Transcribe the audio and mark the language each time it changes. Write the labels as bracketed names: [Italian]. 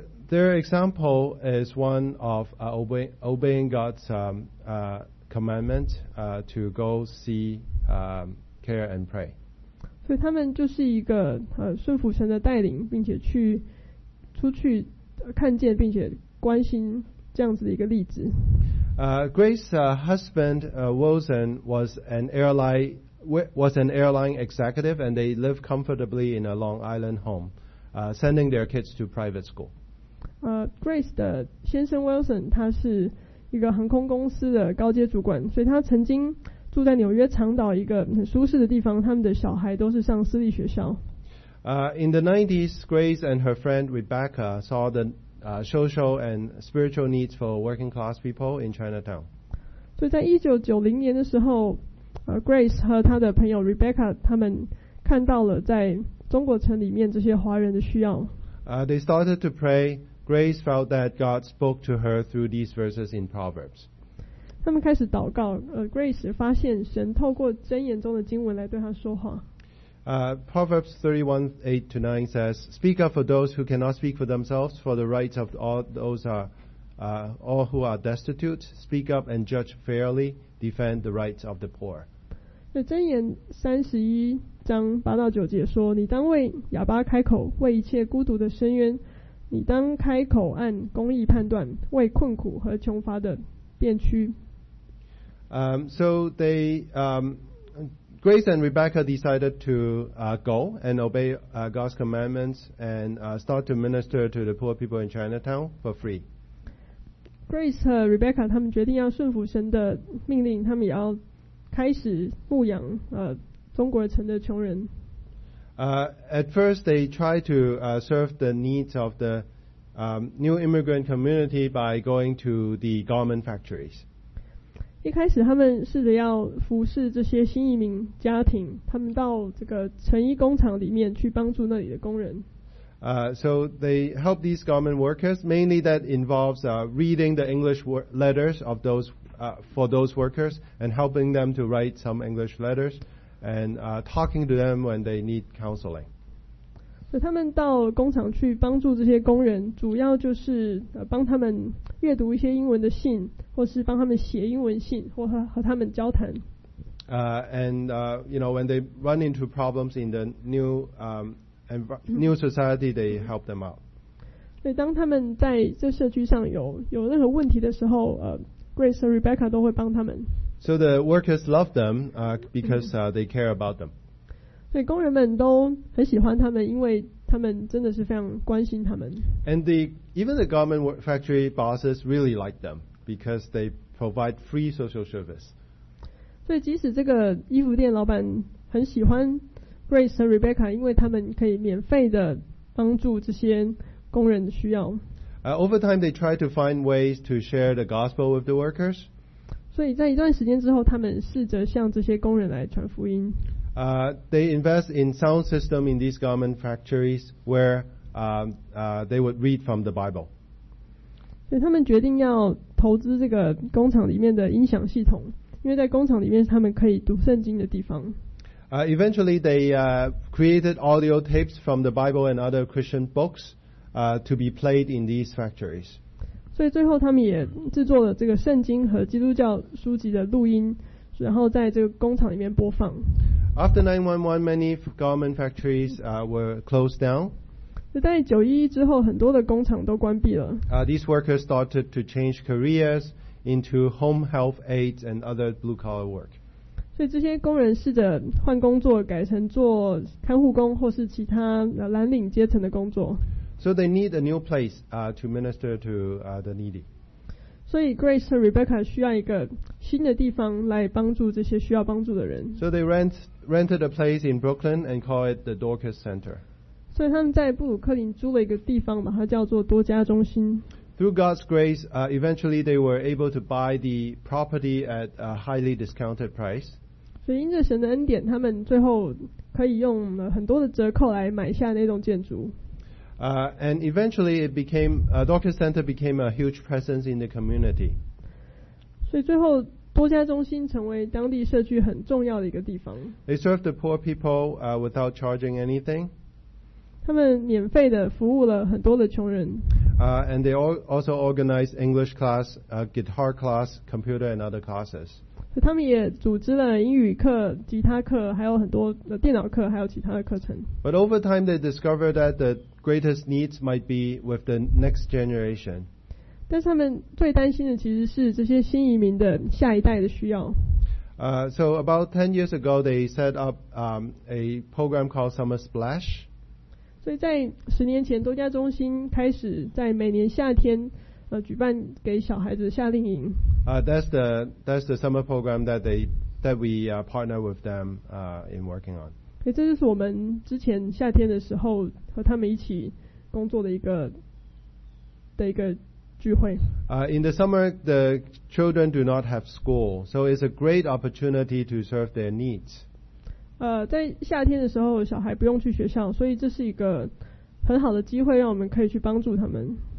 [English] Their example is one of obeying God's commandment to go see care and pray. [Chinese] 所以他们就是一个顺服神的带领，并且去出去看见，并且关心这样子的一个例子。 [English] Grace's husband Wilson was an airline executive, and they live comfortably in a Long Island home, sending their kids to private school. [Chinese] Grace 的先生 Wilson 他是一个航空公司的高阶主管，所以他曾经住在纽约长岛一个很舒适的地方，他们的小孩都是上私立学校。 [English] In the 90s, Grace and her friend Rebecca saw the social and spiritual needs for working class people in Chinatown. [Chinese] 所以在1990年的时候，Grace 和他的朋友 Rebecca 他们看到了在中国城里面这些华人的需要。 [English] They started to pray. Grace felt that God spoke to her through these verses in Proverbs. [Chinese] 他们开始祷告。Grace 发现神透过箴言中的经文来对他说话。 [English] Proverbs 31:8-9 says, "Speak up for those who cannot speak for themselves, for the rights of all those are all who are destitute. Speak up and judge fairly. Defend the rights of the poor." [Chinese] 那箴言三十一章八到九节说：“你当为哑巴开口，为一切孤独的伸冤；你当开口按公义判断，为困苦和穷乏的辩屈。” [English] So they Grace and Rebecca decided to go and obey God's commandments and start to minister to the poor people in Chinatown for free. [Chinese] Grace 和 Rebecca 他们决定要顺服神的命令，他们也要开始牧养中国城的穷人。 [English] At first, they tried to serve the needs of the new immigrant community by going to the garment factories. [Chinese] 一开始他们试着要服侍这些新移民家庭，他们到这个成衣工厂里面去帮助那里的工人。 [English] So they help these garment workers. Mainly that involves reading the English letters of those for those workers and helping them to write some English letters and talking to them when they need counseling. [Chinese] So 他们到工厂去帮助这些工人，主要就是帮他们阅读一些英文的信，或是帮他们写英文信，或和他们交谈。 [English] You know, when they run into problems in the new and new society, they help them out. [Chinese] 所以当他们在这社区上有任何问题的时候，Grace 和 Rebecca 都会帮他们。 [English] So the workers love them because they care about them. [Chinese] 所以工人们都很喜欢他们，因为他们真的是非常关心他们。 [English] And even the garment factory bosses really like them because they provide free social service. [Chinese] 所以即使这个衣服店老板很喜欢Grace 和 Rebecca， 因为他们可以免费的帮助这些工人的需要。 [English] Over time, they try to find ways to share the gospel with the workers. [Chinese] 所以在一段时间之后，他们试着向这些工人来传福音。 [English] They invest in sound system in these garment factories where they would read from the Bible. [Chinese] 所以他们决定要投资这个工厂里面的音响系统，因为在工厂里面是他们可以读圣经的地方。 [English] Eventually, they created audio tapes from the Bible and other Christian books to be played in these factories. [Chinese] 所以最后他们也制作了这个圣经和基督教书籍的录音，然后在这个工厂里面播放。 [English] After 9/11, many garment factories were closed down. [Chinese] 在911之后，很多的工厂都关闭了。 [English] These workers started to change careers into home health aides and other blue-collar work. [Chinese] 所以这些工人试着换工作，改成做看护工或是其他蓝领阶层的工作。 [English] So they need a new place to minister to the needy. [Chinese] 所以 Grace 和 Rebecca 需要一个新的地方来帮助这些需要帮助的人。 [English] So they rented a place in Brooklyn and called it the Dorcas Center. [Chinese] 所以他们在布鲁克林租了一个地方，把它叫做多加中心。 [English] Through God's grace, eventually they were able to buy the property at a highly discounted price. [Chinese] 所以因着神的恩典，他们最后可以用很多的折扣来买下那栋建筑。 [English] And eventually it became, Dorcas Center became a huge presence in the community. [Chinese] 所以最后多加中心成为当地社区很重要的一个地方。 [English] They served the poor people without charging anything. [Chinese] 他们免费的服务了很多的穷人。 [English] And they also organized English class, guitar class, computer and other classes. [Chinese] 所以他们也组织了英语课、吉他课，还有很多的电脑课，还有其他的课程。 [English] But over time, they discovered that the greatest needs might be with the next generation. [Chinese] 但是他们最担心的其实是这些新移民的下一代的需要。 [English] So about 10 years ago, they set up a program called Summer Splash. [Chinese] 所以在十年前，多加中心开始在每年夏天，举办给小孩子夏令营。 [English] That's the summer program that we partner with them in working on. [Chinese] 所以这就是我们之前夏天的时候和他们一起工作的一个聚会。 [English] In the summer, the children do not have school, so it's a great opportunity to serve their needs. [Chinese] 在夏天的时候，小孩不用去学校，所以这是一个很好的机会，让我们可以去帮助他们。